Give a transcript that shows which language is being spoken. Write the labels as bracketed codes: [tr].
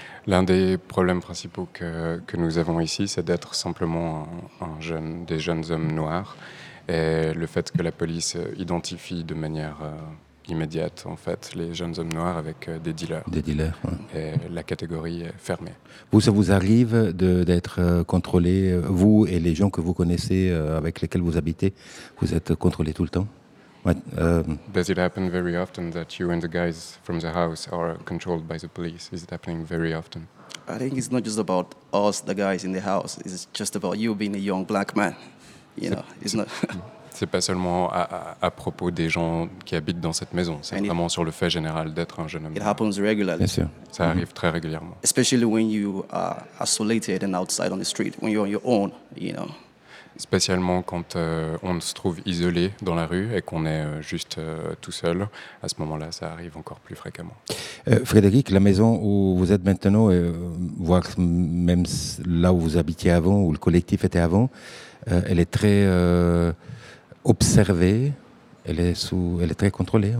[fr] L'un des problèmes principaux que nous avons ici, c'est d'être simplement des jeunes hommes noirs, et le fait que la police identifie de manière immédiate en fait les jeunes hommes noirs avec des dealers. Des dealers. Ouais. Et la catégorie est fermée. Vous, ça vous arrive d'être contrôlé, vous et les gens que vous connaissez avec lesquels vous habitez, vous êtes contrôlé tout le temps? [en] Does it happen very often that you and the guys from the house are controlled by the police? Is it happening very often? I think it's not just about us, the guys in the house. It's just about you being a young black man. You know, it's not. [fr] C'est pas seulement à propos des gens qui habitent dans cette maison, c'est vraiment sur le fait général d'être un jeune homme. [en] It happens regularly. [fr] Bien sûr. Ça arrive très régulièrement. [en] Especially when you are isolated and outside on the street, when you're on your own, you know. [fr] Spécialement quand on se trouve isolé dans la rue et qu'on est juste tout seul, à ce moment-là, ça arrive encore plus fréquemment. Frédéric, la maison où vous êtes maintenant, voire même là où vous habitiez avant, où le collectif était avant, elle est très observée, elle est très contrôlée.